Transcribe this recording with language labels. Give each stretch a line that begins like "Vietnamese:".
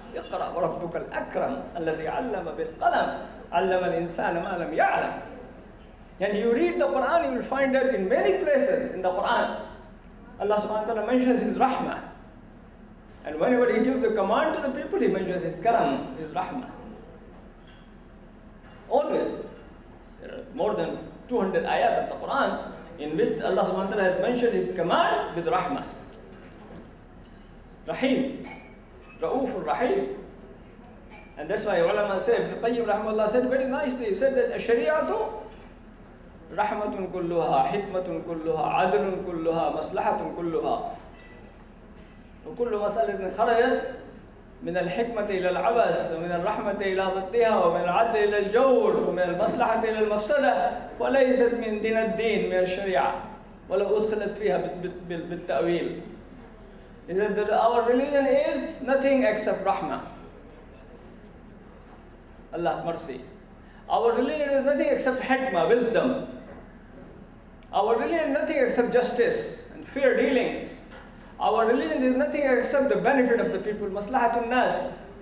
Arabic: اقرأ وربك الأكرم الذي علم بالقلم. علم الإنسان ما لم يعلم.
English: And you read the Quran, you will find that in many places in the Quran, Allah subhanahu wa ta'ala mentions His rahmah. And whenever He gives the command to the people, He mentions His karam, His rahmah. Always, there are more than 200 ayat of the Quran in which Allah subhanahu wa ta'ala has mentioned His command with rahmah. Rahim, Ra'uf al-Rahim. And that's why ulama say, Ibn Qayyim rahimahullah said very nicely, he said that
Arabic: Ash-Shari'atu rahmatun kulluha, hikmatun kulluha, adlun kulluha, maslahatun kulluha. وكل مسألة خرجت من الحكمة إلى العبس ومن الرحمة إلى ضدها ومن العدل إلى الجور ومن المصلحة إلى المفسدة وليست من دين الدين من الشريعة ولو أدخلت فيها بالتأويل.
English: He said that our religion is nothing except rahmah. Allah mercy. Our religion is nothing except hikmah, wisdom. Our religion is nothing except justice and fair dealing. Our religion is nothing except the benefit of the people,
Arabic: maslahatun nas.